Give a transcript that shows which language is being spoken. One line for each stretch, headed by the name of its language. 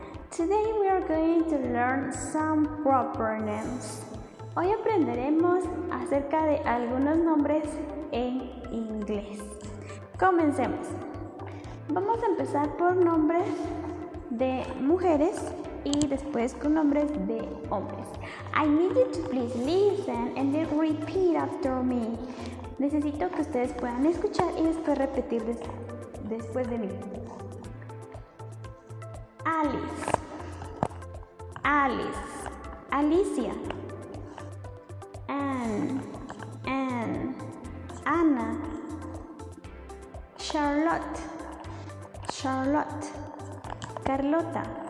English: Today we are going to learn some proper names.
Spanish: Hoy aprenderemos acerca de algunos nombres en inglés. Comencemos. Vamos a empezar por nombres de mujeres y después con nombres de hombres.
English: I need you to please listen and then repeat after me.
Spanish: Necesito que ustedes puedan escuchar y después repetir después de mí.
English: Alice. Alice. Alicia. Anne. Anne. Anna. Charlotte. Charlotte. Carlota.